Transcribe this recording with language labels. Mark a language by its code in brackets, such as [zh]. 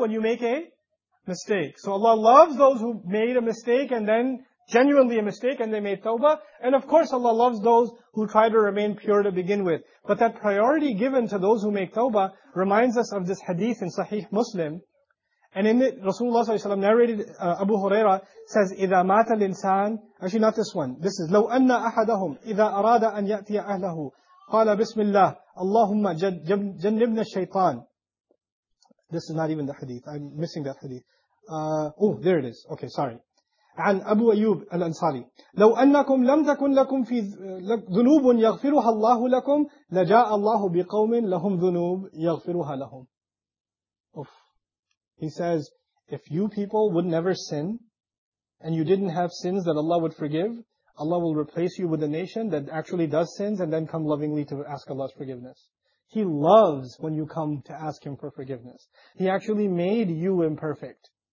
[en] When you make a mistake. So Allah loves those who made a mistake and then genuinely a mistake and they made tawbah. And of course Allah loves those who try to remain pure to begin with. But that priority given to those who make tawbah reminds us of this hadith in Sahih Muslim. And in it, Rasulullah ﷺ narrated, Abu Huraira says, [ar] إِذَا مَاتَ الْإِنسَانِ. [en] Actually not this one. This is, [ar] لَوْ أَنَّ أَحَدَهُمْ إِذَا أَرَادَ أَنْ يَأْتِيَ أَهْلَهُ قَالَ بِسْمِ اللَّهِ اللَّهُمَّ جَنِّبْنَا الشَّيْطَانِ. [en] This is not even the hadith. I'm missing that hadith. There it is. Okay, sorry. [ar] عن أبو أيوب الأنصاري. لو أنكم لم تكن لكم في ذنوب يغفرها الله لكم لجاء الله بقوم لهم ذنوب يغفرها لهم. Oof. [en] He says, if you people would never sin, and you didn't have sins that Allah would forgive, Allah will replace you with a nation that actually does sins and then come lovingly to ask Allah's forgiveness. He loves when you come to ask Him for forgiveness. He actually made you imperfect.